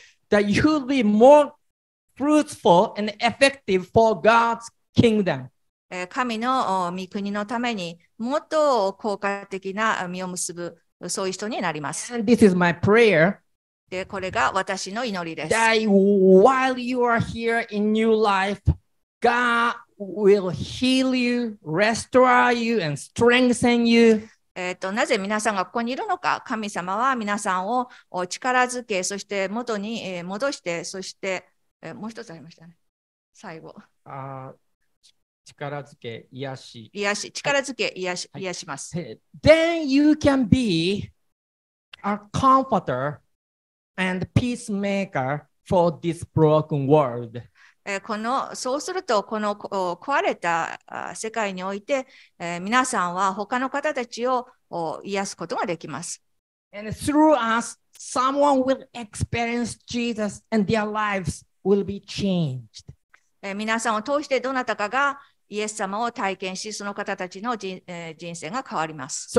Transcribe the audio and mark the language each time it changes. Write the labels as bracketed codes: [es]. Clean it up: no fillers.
[en] That you will be more fruitful and effective for God's kingdom. [ja] 神の御国のためにもっと効果的な実を結ぶそういう人になります。 [en] And this is my prayer. [ja] で、これが私の祈りです。 [en] That while you are here in new life, God will heal you, restore you, and strengthen you. [ja] なぜ皆さんがここにいるのか神様は皆さんを力づけそして元に戻してそしてもう一つありましたね最後あ力づけ癒し癒し力づけ癒し、はい、癒します、はい、 [en] Then you can be a comforter and peacemaker for this broken world [ja] このそうするとこの壊れた世界において皆さんは他の方たちを癒すことができます。 [en] And through us, someone will experience Jesus and their lives will be changed. [ja] 皆さんを通してどなたかがイエス様を体験しその方たちの人生が変わります。